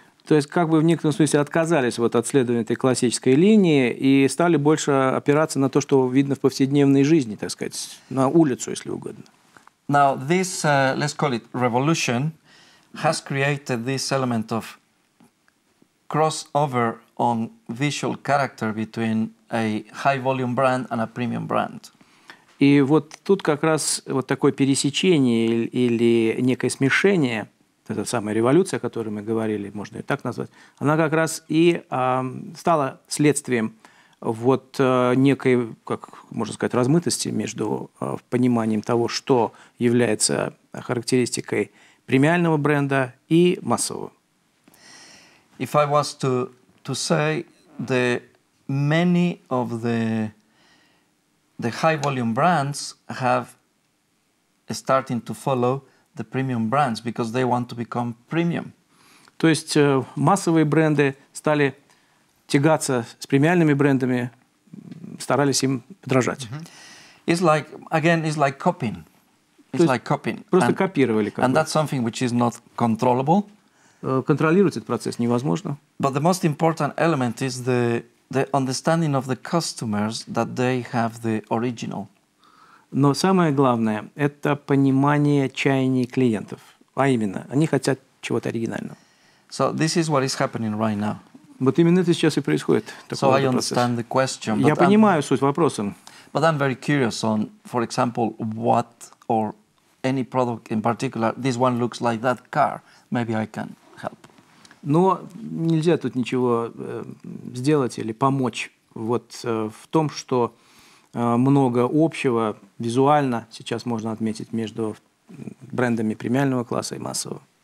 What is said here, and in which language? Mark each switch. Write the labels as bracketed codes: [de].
[ru] То есть как бы в некотором смысле отказались вот от следования этой классической линии и стали больше опираться на то, что видно в повседневной жизни, так сказать, на улицу, если угодно. [en] Now this, let's call it revolution, has created this element of crossover on visual character between a high-volume brand and a premium brand. [ru] И вот тут как раз вот такое пересечение или некое смешение. Эта самая революция, о которой мы говорили, можно и так назвать, она как раз и стала следствием вот некой, как можно сказать, размытости между пониманием того, что является характеристикой премиального бренда и массового. [en] If I was to say the many of the high volume brands have starting to follow the premium brands because they want to become premium. [ru] То есть массовые бренды стали тягаться с премиальными брендами, старались им подражать. [en] Mm-hmm. It's like copying. [ru] Просто копировали. [en] And that's something which is not controllable. [ru] Контролировать этот процесс невозможно. [en] But the most important element is the understanding of the customers that they have the original. [ru] Но самое главное – это понимание чаяний клиентов. А именно, они хотят чего-то оригинального. [en] So this is what is happening right now. [ru] Вот именно это сейчас и происходит. [en] So I understand the question. [ru] Я понимаю суть вопроса. [en] But I'm very curious on, for example, what or any product in particular. This one looks like that car. Maybe I can help. [ru] Но нельзя тут ничего сделать или помочь вот в том, что много общего визуально сейчас можно отметить между брендами премиального класса и массового.